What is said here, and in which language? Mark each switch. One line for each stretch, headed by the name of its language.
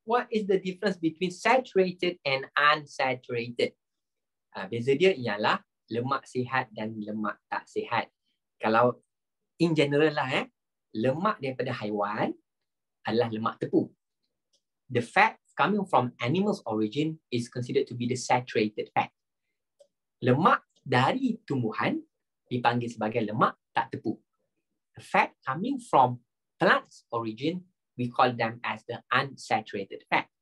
English: What is the difference between saturated and unsaturated?
Malay: Beza dia ialah lemak sihat dan lemak tak sihat. Kalau
English: in general
Malay: lah, lemak daripada haiwan adalah lemak tepung.
English: The fat coming from animal's origin is considered to be the saturated fat.
Malay: Lemak dari tumbuhan dipanggil sebagai lemak tak tepung.
English: The fat coming from plant's origin, we call them as the unsaturated fat.